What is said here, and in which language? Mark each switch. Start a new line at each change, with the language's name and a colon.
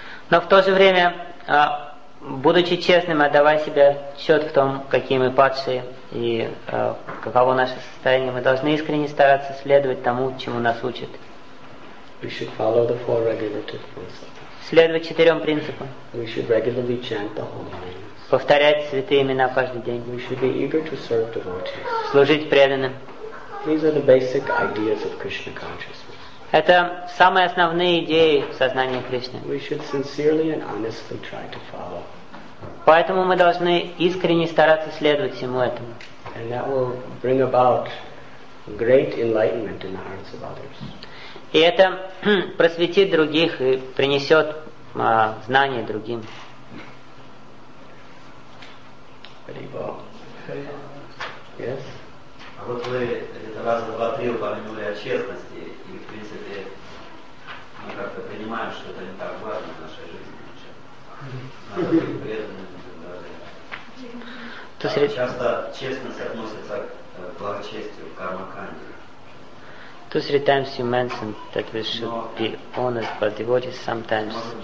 Russian: Но в то же время, будучи честным, отдавая себе счет в том, какие мы падшие и каково наше состояние, мы должны искренне стараться следовать тому, чему нас учат.
English: We should follow the four regulative principles.
Russian: Следовать четырем принципам.
English: We should regularly chant the holy name.
Russian: Повторять святые имена каждый день.
English: We should be eager to serve devotees.
Russian: Служить преданным.
English: These are the basic ideas of Krishna consciousness.
Russian: Это самые основные идеи сознания Кришны.
English: We should sincerely and honestly try to follow.
Russian: Поэтому мы должны искренне стараться следовать всему этому.
English: And that will bring about great enlightenment in the hearts of others.
Russian: И это просветит других и принесет знания другим.
English: Yes?
Russian: А вот вы где-то раз два три упомянули о честности, и в принципе мы как-то понимаем, что это не так важно в нашей жизни. Надо быть преданным. Часто честность относится к благочестию, к кармаканде.
English: Two, three times you mentioned that we should be honest, but devotees sometimes.